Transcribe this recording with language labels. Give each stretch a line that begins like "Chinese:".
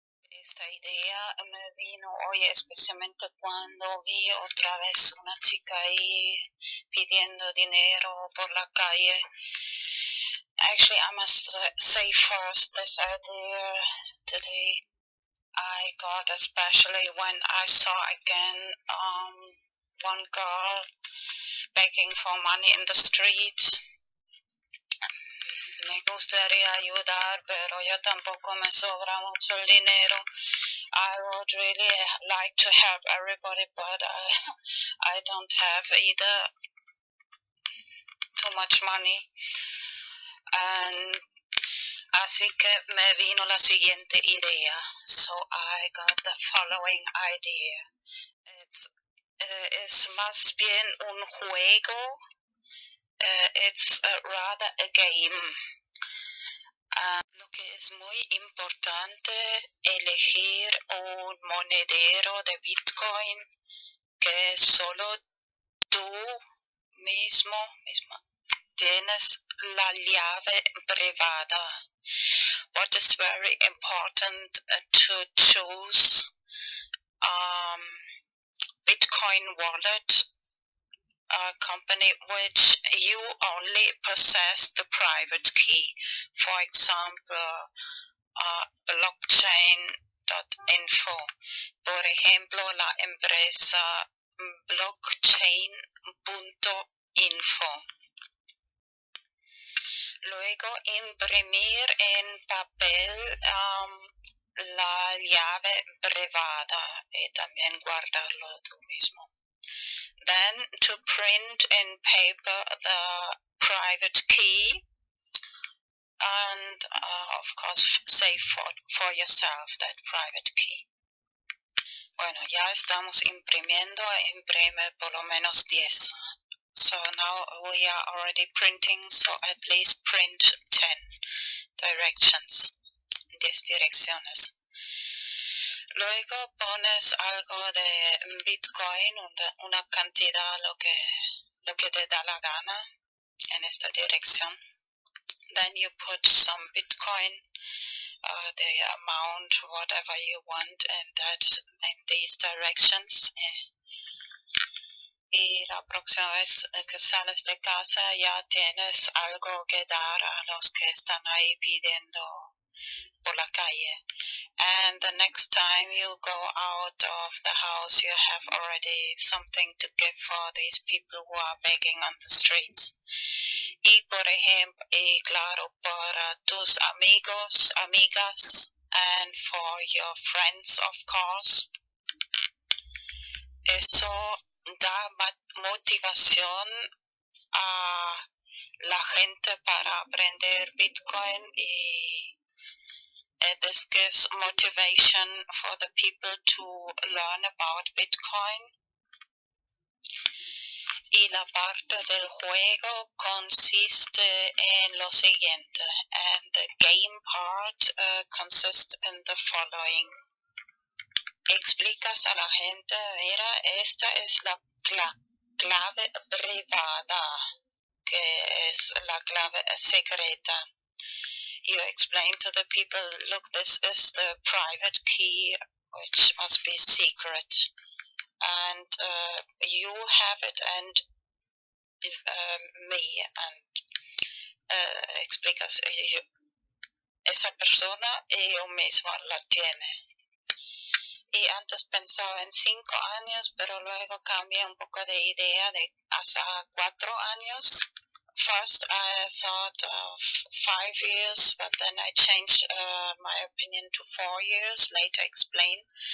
Spanish: esta idea, me vino hoy especialmente cuando vi otra vez una chica ahí pidiendo dinero por la calle.
English: Actually, I must say first this idea today I got, especially when I saw again one girl begging for money in the streets.
Spanish: Me gustaría ayudar, pero yo tampoco me sobra mucho el dinero.
English: I would really like to help everybody, but I don't have either too much money.
Spanish: And así que me vino la siguiente idea.
English: So I got the following idea. It's
Spanish: más bien un juego.
English: It's rather a game.
Spanish: Lo que es muy importante elegir un monedero de Bitcoin que solo tú mismo tienes la llave privada.
English: What is very important to choose Bitcoin wallet, a company which you only possess the private key, for example, blockchain.info.
Spanish: Por ejemplo, la empresa blockchain.info. Luego, imprimir en papel la llave privada y también guardarlo tú mismo.
English: Then to print in paper the private key and of course save for yourself that private key.
Spanish: Bueno, ya estamos imprimiendo, imprime por lo menos 10.
English: So now we are already printing, so at least print 10 directions,
Spanish: 10 direcciones. Luego pones algo de Bitcoin, una cantidad, lo que te da la gana en esta dirección.
English: Then you put some Bitcoin, the amount, whatever you want, and that in these directions.
Spanish: Y la próxima vez que sales de casa ya tienes algo que dar a los que están ahí pidiendo por la calle.
English: And the next time you go out of the house, you have already something to give for these people who are begging on the streets.
Spanish: Y por ejemplo, y claro, para tus amigos, amigas,
English: and for your friends, of course.
Spanish: Eso da motivación a la gente para aprender Bitcoin y
English: this gives motivation for the people to learn about Bitcoin.
Spanish: Y la parte del juego consiste en lo siguiente.
English: And the game part consists in the following.
Spanish: Explicas a la gente, mira, esta es la clave privada, que es la clave secreta.
English: You explain to the people, look, this is the private key, which must be secret. And you have it and me.
Spanish: And explicas, esa persona y yo mismo la tiene. Y antes pensaba en 5 años, pero luego cambié un poco de idea de hasta 4 años.
English: First, I thought of 5 years, but then I changed my opinion to 4 years, later explain.